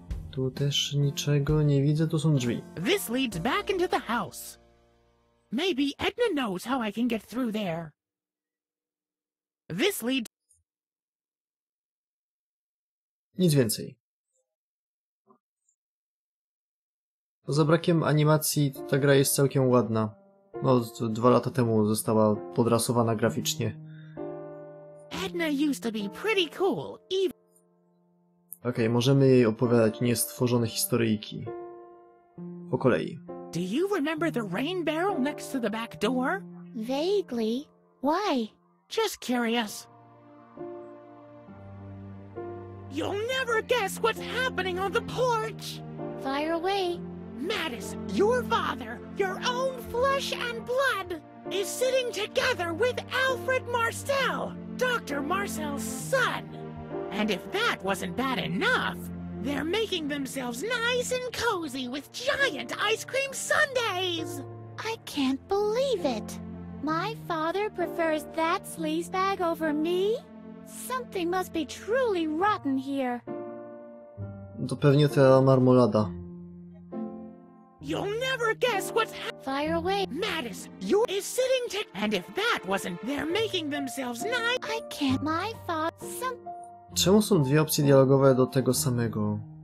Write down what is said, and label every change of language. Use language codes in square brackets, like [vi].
[pl] Tu też niczego nie widzę, tu są drzwi. [en] This leads back into the house. Maybe Edna knows how I can get through there. This leads. [pl] Nic więcej. Poza brakiem animacji, to ta gra jest całkiem ładna. No, 2 lata temu została podrasowana graficznie. [en] Edna used to be pretty cool, even... [pl] Okej, możemy jej opowiadać niestworzone historyjki. Po kolei. [en] Do you remember the rain barrel next to the back door? Vaguely. Why? Just curious. You'll never guess what's happening on the porch! Fire away. Mattis, your father, your own flesh and blood, is sitting together with Alfred Marcel, Dr. Marcel's son. And if that wasn't bad enough, they're making themselves nice and cozy with giant ice cream sundaes! I can't believe it. My father prefers that sleazebag over me? Something must be truly rotten here. [pl] To pewnie ta marmolada. [en] You'll never guess what's Fire away. Mattis, you is sitting to- And if that wasn't- They're making themselves nice- I can't- My thoughts- Some- [pl] Czemu są dwie opcje dialogowe do tego samego?